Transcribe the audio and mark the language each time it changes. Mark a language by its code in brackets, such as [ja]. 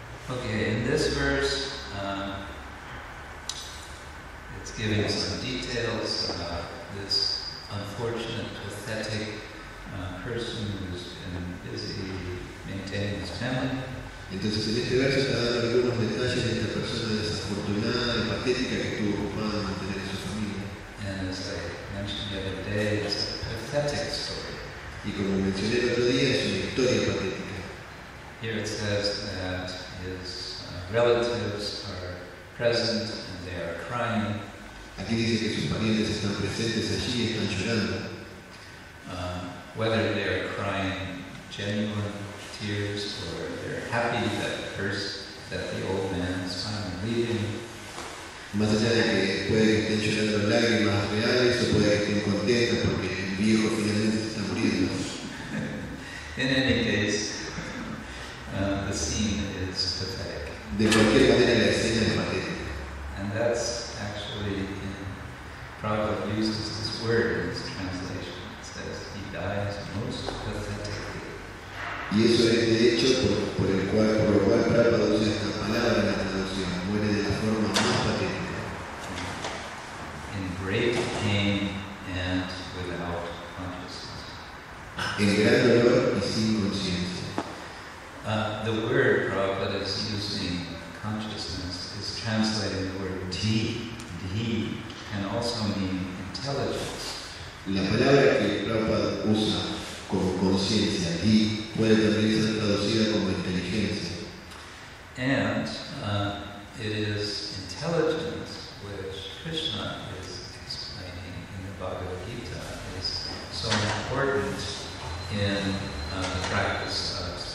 [en] Okay, in this verse, it's giving some details about this unfortunate, pathetic person who's been busy maintaining his family. [es] Entonces, en este verso está dando algunos detalles de esta persona desafortunada y patética que estuvo ocupada en mantener a su familia. [en] And as I mentioned the other day, it's a pathetic story. [es] Y como mencioné el otro día, es una historia patética. [en] Here it says that his relatives are present and they are crying. [es] Aquí dice que sus parientes están presentes allí y están llorando. [en] Whether they are crying genuine tears or they're happy that first that the old man is finally leaving. [es] Más allá de que puede que estén llorando lágrimas reales o puede que estén contentos porque el viejo finalmente está muriendo. [en] In any case, the scene is pathetic. [es] De cualquier manera, la escena es patética. [en] And that's actually Prabhupada uses this word in his translation. It says he dies most pathetically. [es] Y eso es de hecho por lo cual Prabhupada usa esta palabra en la traducción. Muere de la forma más patética. [en] In great pain and without consciousness. [es] En gran dolor y sin conciencia. [en] The word Prabhupada is using consciousness is translating the word dhi can also mean intelligence. [es] La palabra que Prabhupada usa como conciencia, dhi, puede también ser traducida como inteligencia. [en] And it is intelligence which Krishna is explaining in the Bhagavad Gita is so important in the practice of